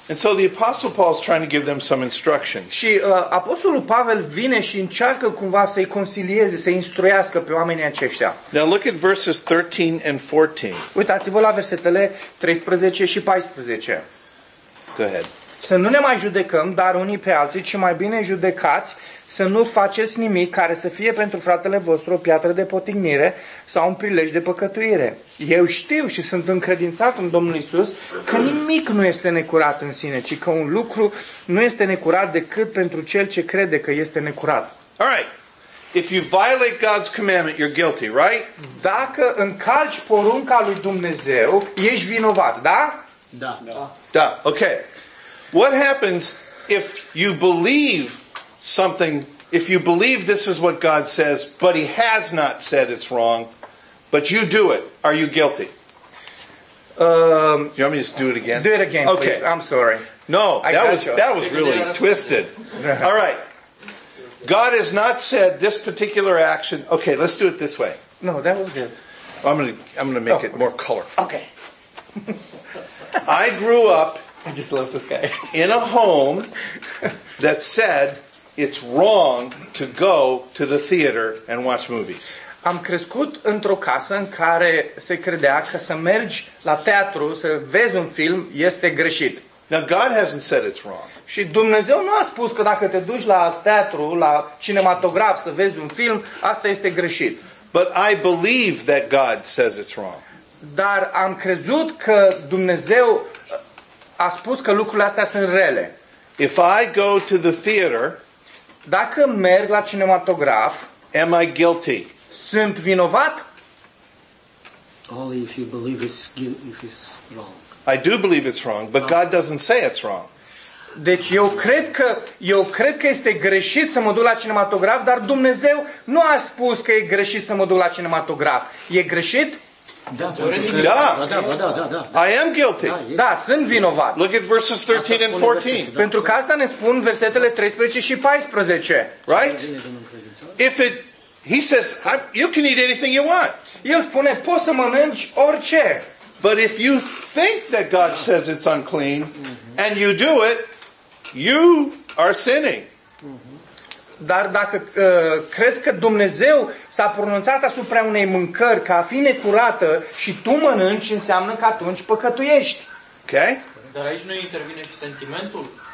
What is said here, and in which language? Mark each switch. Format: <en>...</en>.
<en>And so the Apostle Paul is trying to give them some instruction.</en> <ro>Și Apostolul Pavel vine și încearcă cumva să-i concilieze, să-i instruiască pe oamenii aceștia.</ro> <en>Now look at verses 13 and 14.</en> <ro>Uitați-vă la versetele 13 și 14.</ro> <en>Go ahead.</en> <ro>Să nu ne mai judecăm, dar unii pe alții, ci mai bine judecați să nu faceți nimic care să fie pentru fratele vostru o piatră de potignire sau un prilej de păcătuire. Eu știu și sunt încredințat în Domnul Iisus că nimic nu este necurat în sine, ci că un lucru nu este necurat decât pentru cel ce crede că este necurat.</ro> <en>All right. If you violate God's commandment, you're guilty, right?</en> <ro>Dacă încalci porunca lui Dumnezeu, ești vinovat, da? Da.</ro> <en>Da. Okay. What happens if you believe something, if you believe this is what God says, but he has not said it's wrong, but you do it, are you guilty? You want me to just do it again? Do it again, okay. Please. I'm sorry. No, that was really twisted. All right. God has not said this particular action. Okay, let's do it this way. No, that was good. I'm gonna make it more colorful. Okay. I grew up, I just love this guy, in a home that said it's wrong to go to the theater and watch movies.</en> <ro>Am crescut într-o casă în care se credea că să mergi la teatru, să vezi un film, este greșit.</ro> <en>Now God hasn't said it's wrong.</en> <ro>Și Dumnezeu nu a spus că dacă te duci la teatru, la cinematograf, să vezi un film, asta este greșit.</ro> <en>But I believe that God says it's wrong.</en> <ro>Dar am crezut că Dumnezeu a spus că lucrurile astea sunt rele.</ro> <en>If I go to the theater,</en> <ro>dacă merg la cinematograf,</ro> <en>am I guilty?</en> <ro>Sunt vinovat?</ro> <en>Only if you believe it's guilt, if it's wrong. I do believe it's wrong, but God doesn't say it's wrong.</en> <ro>Deci eu cred că este greșit să mă duc la cinematograf, dar Dumnezeu nu a spus că e greșit să mă duc la cinematograf. E greșit? Da.</ro> <en>I am guilty.</en> <ro>Da, sunt vinovat.</ro> <en>Look at verses 13 and 14.</en> <ro>Pentru că asta ne spun versetele 13 și 14.</ro> <en>Right? If it, he says, you can eat anything you want.</en> <ro>El spune, poți să mănânci orice.</ro> <en>But if you think that God says it's unclean and you do it, you are sinning.</en> <ro>Dar dacă crezi că Dumnezeu s-a pronunțat asupra unei mâncări ca fiind necurată și tu mănânci, înseamnă că atunci păcătuiești.</ro> <en>Okay?</en> <ro>Dar aici nu intervine și sentimentul.</ro>